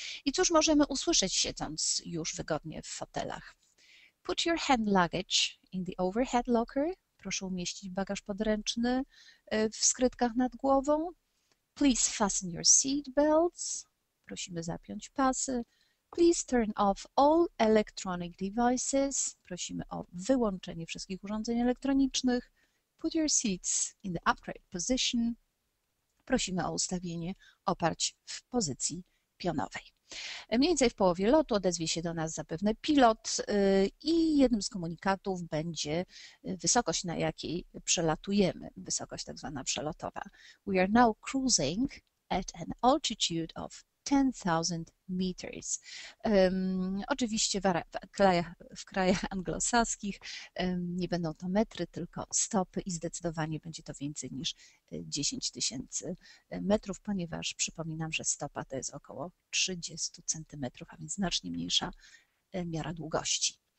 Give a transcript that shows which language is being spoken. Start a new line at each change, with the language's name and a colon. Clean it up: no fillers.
Polish: I cóż możemy usłyszeć, siedząc już wygodnie w fotelach?
English: Put your hand luggage in the overhead locker.
Polish: Proszę umieścić bagaż podręczny w skrytkach nad głową.
English: Please fasten your seat belts.
Polish: Prosimy zapiąć pasy.
English: Please turn off all electronic devices.
Polish: Prosimy o wyłączenie wszystkich urządzeń elektronicznych.
English: Put your seats in the upright position.
Polish: Prosimy o ustawienie oparć w pozycji pionowej. Mniej więcej w połowie lotu odezwie się do nas zapewne pilot i jednym z komunikatów będzie wysokość, na jakiej przelatujemy, wysokość tak zwana przelotowa.
English: We are now cruising at an altitude of 10,000 meters.
Polish: Oczywiście w krajach anglosaskich nie będą to metry, tylko stopy i zdecydowanie będzie to więcej niż 10 tysięcy metrów, ponieważ przypominam, że stopa to jest około 30 centymetrów, a więc znacznie mniejsza miara długości.